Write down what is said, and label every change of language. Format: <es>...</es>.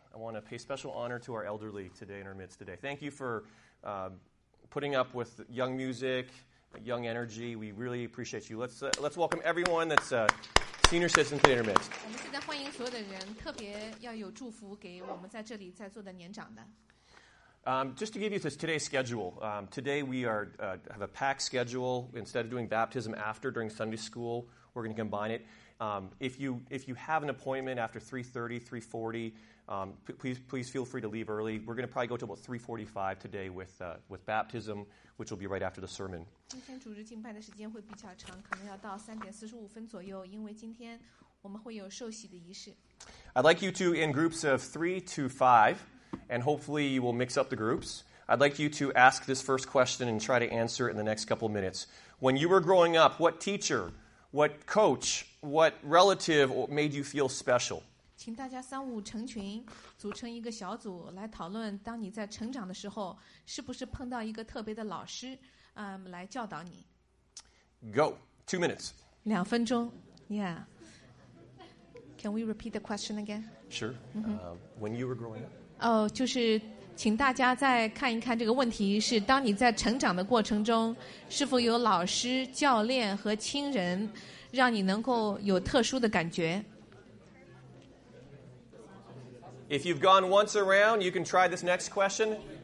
<en>I want to pay special honor to our elderly today in our midst today. Thank you for putting up with young music, young energy. We really appreciate you. Let's welcome everyone that's a senior citizen today in our midst.</en> <zh>我们现在欢迎所有的人，特别要有祝福给我们在这里在座的年长的。</zh> <en>Just to give you this today's schedule, today we are have a packed schedule. Instead of doing baptism after during Sunday school, we're going to combine it. If you have an appointment after 3:30, 3:40, please feel free to leave early. We're going to probably go to about 3:45 today with baptism, which will be right after the sermon.</en> <zh>今天主日敬拜的时间会比较长，可能要到3:45左右，因为今天我们会有受洗的仪式。</zh> <en>I'd like you to in groups of 3 to 5. And hopefully you will mix up the groups. I'd like you to ask this first question and try to answer it in the next couple of minutes. When you were growing up, what teacher, what coach, what relative made you feel special?</en> <zh>请大家三五成群，组成一个小组来讨论，当你在成长的时候，是不是碰到一个特别的老师，来教导你。</zh> <en>Go. 2 minutes.</en> <zh>两分钟。</zh> <en>Yeah. Can we repeat the question again? Sure. When you were growing up.</en> <zh>就是请大家再看一看这个问题是当你在成长的过程中是否有老师教练和亲人让你能够有特殊的感觉。</zh> <en>If you've gone once around, you can try this next question.</en>